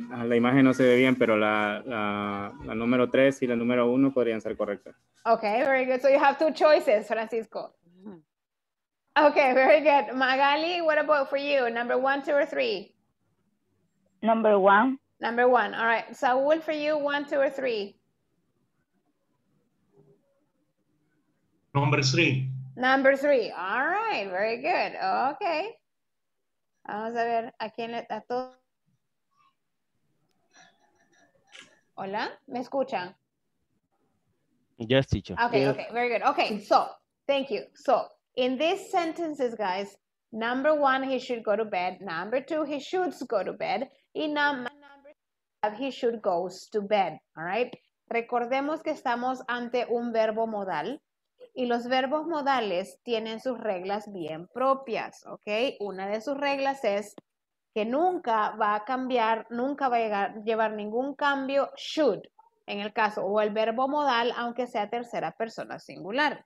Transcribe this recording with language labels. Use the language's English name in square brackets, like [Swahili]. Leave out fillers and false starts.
[Spanish] La imagen no se ve bien, pero la número tres y la número uno podrían ser correctas. [English] Okay, very good. So you have two choices, Francisco. Okay, very good. Magali, what about for you? Number one, two, or three? Number one. Number one. All right. Saul, for you, one, two, or three? Number three. Number three. All right. Very good. Okay. [Spanish] Vamos a ver a quién le... Hola? ¿Me escuchan? [English] Yes, teacher. Okay, yeah. Okay. Very good. Okay. So, thank you. So, in these sentences, guys, number one, he should go to bed. Number two, he should go to bed. Y number three, he should go to bed. All right? [Spanish] Recordemos que estamos ante un verbo modal. Y los verbos modales tienen sus reglas bien propias, ¿ok? Una de sus reglas es que nunca va a cambiar, nunca va a llevar ningún cambio, should, en el caso, o el verbo modal, aunque sea tercera persona singular.